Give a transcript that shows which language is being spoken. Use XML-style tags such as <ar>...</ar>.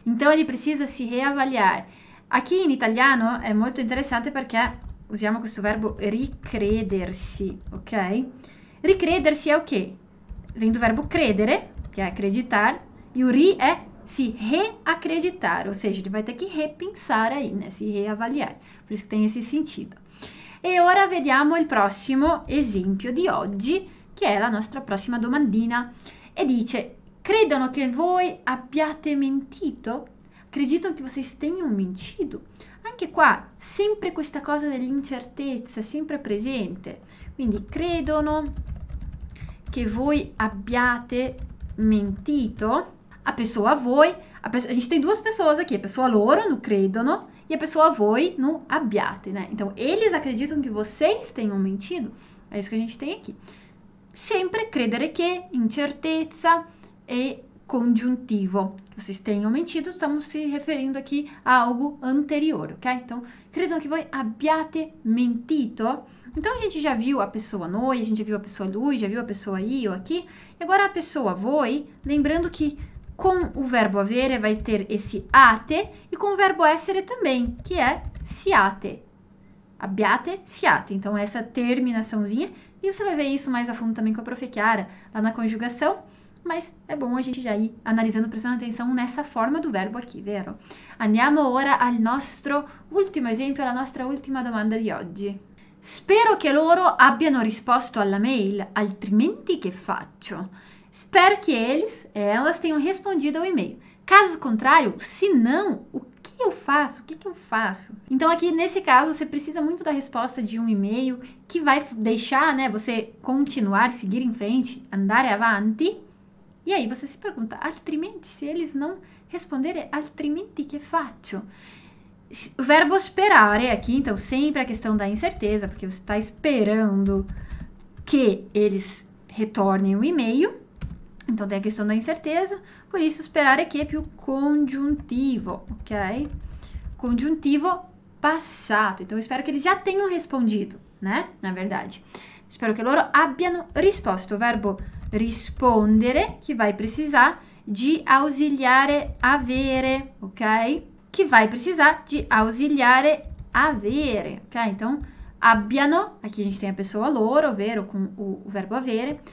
<pt>Então ele precisa se reavaliar. Aqui em italiano é muito interessante porque</pt> <it>usiamo questo verbo ricredersi,</it> <pt>ok? Ricredersi é o quê? Vem do verbo credere, que é acreditar, e o ri é se reacreditar, ou seja, ele vai ter que repensar aí, né? Se reavaliar. Por isso que tem esse sentido.</pt> <it>E ora vediamo il prossimo esempio di oggi, che è la nostra prossima domandina. E dice: credono che voi abbiate mentito?</it> <pt>Acreditam que vocês tenham mentido?</pt> <it>Anche qua, sempre questa cosa dell'incertezza, sempre presente. Quindi, credono che voi abbiate mentito?</it> <pt>A pessoa voi, a gente tem duas pessoas aqui, a pessoa loro, no credono, e a pessoa voi, no abbiate, né? Então, eles acreditam que vocês tenham mentido? É isso que a gente tem aqui.</pt> <it>Sempre credere che, incertezza e congiuntivo.</it> <pt>Vocês tenham mentido, estamos se referindo aqui a algo anterior, ok? Então,</pt> <it>credono che voi abbiate mentito?</it> <pt>Então, a gente já viu a pessoa noi, a gente já viu a pessoa lui, já viu a pessoa io aqui. E agora, a pessoa voi, lembrando que com o verbo avere vai ter esse ate, e com o verbo essere também, que é siate. Abbiate, siate. Então, essa terminaçãozinha. E você vai ver isso mais a fundo também com a Prof. Chiara, lá na conjugação. Mas é bom a gente já ir analisando, prestando atenção nessa forma do verbo aqui, vero?</pt> <it>Andiamo ora al nostro ultimo esempio, alla nostra ultima domanda di oggi. Spero che loro abbiano risposto alla mail, altrimenti che faccio?</it> <pt>Espero que eles, elas tenham respondido ao e-mail. Caso contrário, se não, o que eu faço? O que que eu faço? Então aqui nesse caso você precisa muito da resposta de um e-mail que vai deixar, né, você continuar, seguir em frente, andare avanti. E aí você se pergunta, altrimenti, se eles não responderem,</pt> <it>altrimenti che faccio?</it> <pt>O verbo esperare aqui, então sempre a questão da incerteza, porque você está esperando que eles retornem o e-mail. Então tem a questão da incerteza, por isso esperare che è più congiuntivo, ok? Congiuntivo passato, então eu espero que eles já tenham respondido, né? Na verdade, espero</pt> <it>che loro abbiano risposto.</it> <pt>O verbo rispondere, che vai precisar di ausiliare avere, ok? Che vai precisar di ausiliare avere, ok? Então, abbiano, aqui a gente tem a pessoa loro, ovvero com o verbo avere.</pt>